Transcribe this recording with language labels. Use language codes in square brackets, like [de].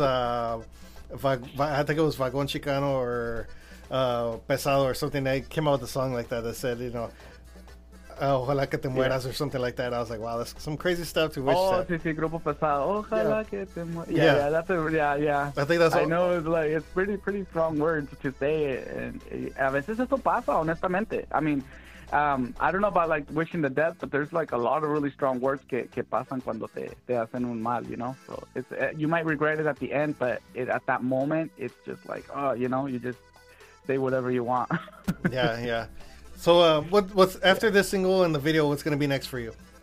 [en] I think it was Vagón Chicano or Pesado or something. They came out with a song like that said, you know, [es] ojalá que te mueras, [en] yeah, or something like that. I was like, wow, that's some crazy stuff to wish. Oh, that. [es] Sí, Grupo Pesado. Ojalá que te mueras. Yeah, yeah. [en] I think that's all. I know, it's like, it's pretty, pretty strong words to say it. [es] And a veces esto pasa, honestamente. [en] I mean, I don't know about like wishing the death, but there's like a lot of really strong words [es] que pasan cuando te hacen un mal, [en] you know? So it's, you might regret it at the end, but it, at that moment, it's just like, oh, you know, you just say whatever you want. Yeah. So what's after this single and the video, what's going to be next for you?